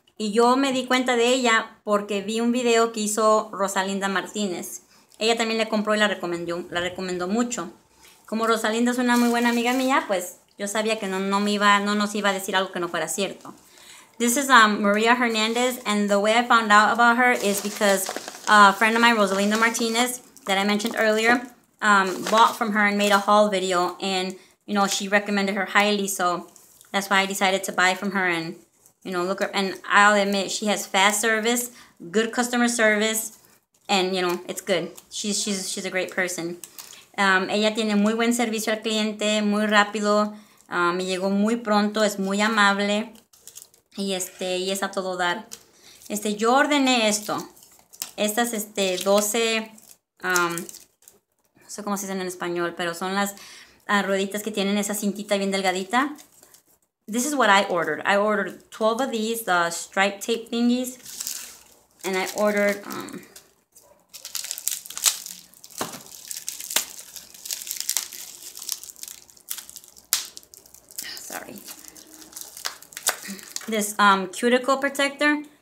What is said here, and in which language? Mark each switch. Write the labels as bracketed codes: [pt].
[es] Y yo me di cuenta de ella porque vi un video que hizo Rosalinda Martínez. Ella también le compró y la recomendó mucho. Como Rosalinda es una muy buena amiga mía, pues yo sabía que no nos iba a decir algo que no fuera cierto. [en] This is Maria Hernandez, and the way I found out about her is because a friend of mine, Rosalinda Martinez, that I mentioned earlier, bought from her and made a haul video, and, you know, she recommended her highly, so that's why I decided to buy from her and, you know, look her. And I'll admit, she has fast service, good customer service, and, you know, it's good. She's a great person. [es] Ella tiene muy buen servicio al cliente, muy rápido, me llegó muy pronto, es muy amable, y es a todo dar. Yo ordené esto. Estas 12, no sé cómo se dicen en español, pero son las rueditas que tienen esa cintita bien delgadita. [en] This is what I ordered. I ordered 12 of these, the stripe tape thingies. And I ordered, this cuticle protector.